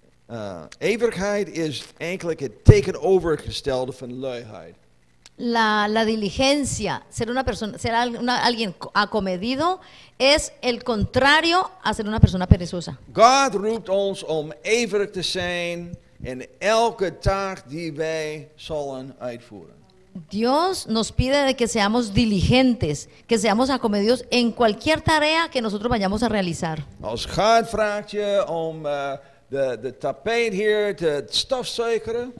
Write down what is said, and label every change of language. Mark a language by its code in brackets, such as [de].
[nl] Een ijverigheid is eigenlijk het tegenovergestelde van luiheid. [es] La diligencia, ser una persona, ser alguien acomedido, es el contrario a ser una persona perezosa. [nl] God roept ons om ijverig te zijn in elke taak die wij zullen uitvoeren. [es] Dios nos pide de que seamos diligentes, que seamos acomedidos en cualquier tarea que nosotros vayamos a realizar. [nl] Als God vraagt je om de tapijt hier te stofzuigeren.